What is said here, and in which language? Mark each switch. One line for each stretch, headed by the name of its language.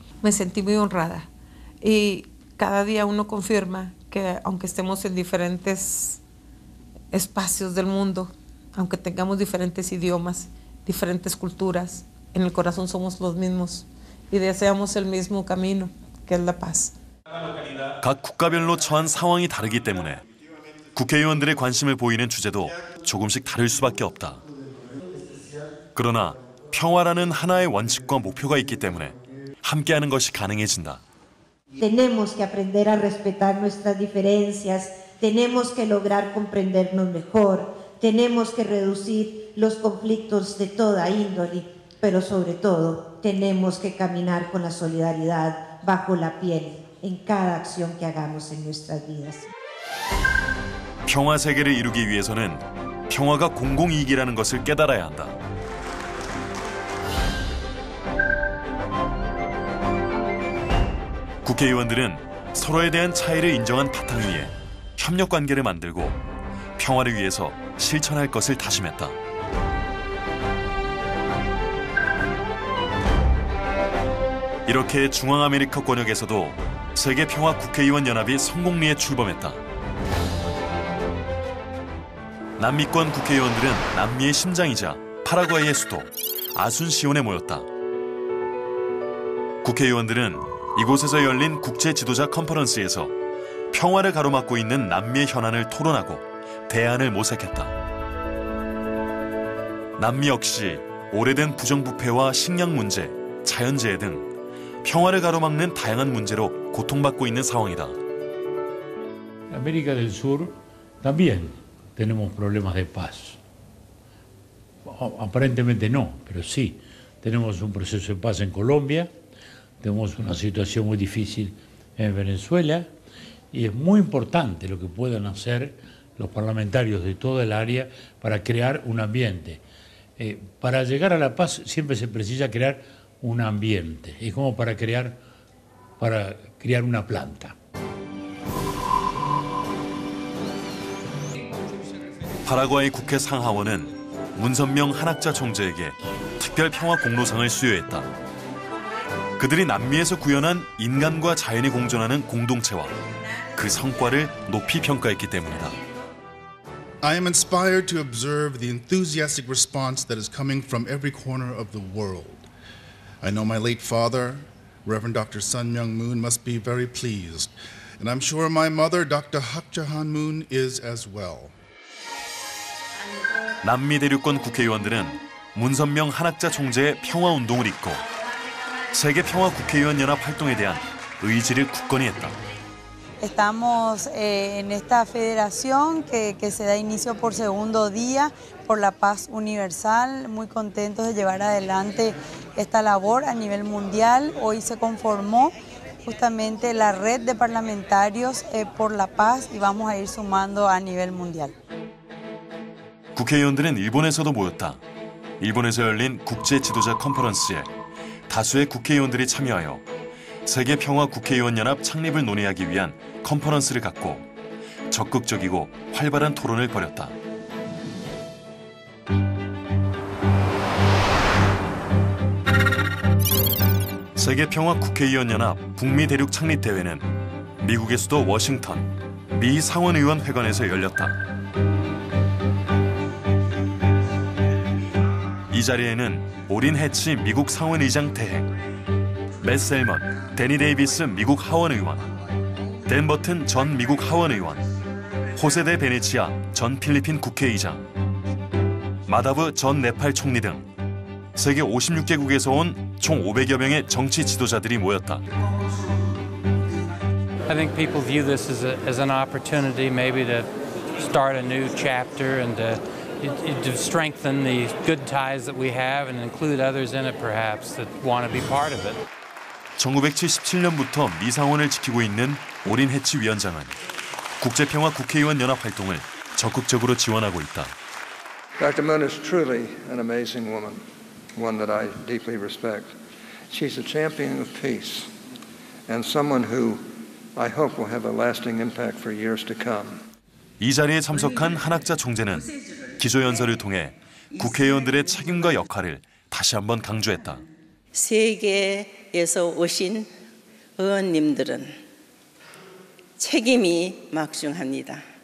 Spanish: Me sentí muy honrada y cada día uno confirma que aunque estemos en diferentes espacios del mundo, aunque tengamos diferentes idiomas, diferentes culturas, en el corazón somos los mismos y deseamos el mismo camino, que es la paz.
Korean: 각 국가별로 처한 상황이 다르기 때문에 국회의원들의 관심을 보이는 주제도 조금씩 다를 수밖에 없다. 그러나 평화라는 하나의 원칙과 목표가 있기 때문에 함께하는 것이 가능해진다.
Spanish: Tenemos que aprender a respetar nuestras diferencias. Tenemos que lograr comprendernos mejor. Tenemos que reducir los conflictos de toda índole, pero sobre todo tenemos que caminar con la solidaridad bajo la piel en cada acción que hagamos en nuestras vidas.
Korean: 평화 세계를 이루기 위해서는 평화가 공공 이익이라는 것을 깨달아야 한다. 국회의원들은 서로에 대한 차이를 인정한 바탕 위에 협력 관계를 만들고 평화를 위해서 실천할 것을 다짐했다. 이렇게 중앙아메리카 권역에서도 세계평화국회의원연합이 성공리에 출범했다. 남미권 국회의원들은 남미의 심장이자 파라과이의 수도 아순시온에 모였다. 국회의원들은 이곳에서 열린 국제지도자 컨퍼런스에서 평화를 가로막고 있는 남미의 현안을 토론하고 대안을 모색했다. 남미 역시 오래된 부정부패와 식량 문제, 자연재해 등 평화를 가로막는 다양한 문제로 고통받고 있는 상황이다.
Spanish: América del Sur también tenemos problemas de paz. Aparentemente no, pero sí. Tenemos un proceso de paz en Colombia. Tenemos una situación muy difícil en Venezuela y es muy importante lo que puedan hacer los parlamentarios de toda el área para crear un ambiente. Para llegar a la paz siempre se precisa crear un ambiente. Es como para crear una planta.
Korean: 파라과이 국회 상하원은 문선명 한학자 총재에게 특별 평화 공로상을 수여했다. 그들이 남미에서 구현한 인간과 자연이 공존하는 공동체와 그 성과를 높이 평가했기 때문이다.
English: I am inspired to observe the enthusiastic response that is coming from every corner of the world. I know my late father, Reverend Dr. Sun Myung Moon, must be very pleased. And I'm sure my mother, Dr. Hak Ja-han Moon, is as well.
Korean: 남미 대륙권 국회의원들은 문선명 한학자 총재의 평화운동을 잇고 세계평화국회의원연합 활동에 대한 의지를 굳건히 했다.
Spanish: Estamos en esta federación que se da inicio por segundo día por la paz universal, muy contentos de llevar adelante esta labor a nivel mundial. Hoy se conformó justamente la red de parlamentarios por la paz y vamos a ir sumando a nivel mundial.
Korean: 국회의원들은 일본에서도 모였다. 일본에서 열린 국제 지도자 컨퍼런스에 다수의 국회의원들이 참여하여 세계 평화 국회의원 연합 창립을 논의하기 위한 컨퍼런스를 갖고 적극적이고 활발한 토론을 벌였다. 세계 평화 국회의원 연합 북미 대륙 창립 대회는 미국의 수도 워싱턴 미 상원 의원 회관에서 열렸다. 이 자리에는 오린 해치 미국 상원 의장 대행, 맷 셀먼, 데니 데이비스 미국 하원 의원, 댄 버튼 전 미국 하원 의원, 호세데 베네치아 전 필리핀 국회의장, 마다브 전 네팔 총리 등 세계 56개국에서 온 총 500여 명의 정치 지도자들이 모였다.
English: I think people view this as an opportunity maybe to start a new chapter and to strengthen the good ties that we have and include others in it perhaps that want to be part of it.
Korean: 1977년부터 미 상원을 지키고 있는 오린 해치 위원장은 국제평화 국회의원 연합 활동을 적극적으로 지원하고 있다.
English: Dr. Moon is truly an amazing woman, one that I deeply respect. She's a champion of peace and someone who I hope will have a lasting impact for years to come.
Korean: 이 자리에 참석한 한 학자 총재는 기조 연설을 통해 국회의원들의 책임과 역할을 다시 한번 강조했다. 세계에서 오신 의원님들은 책임이 막중합니다.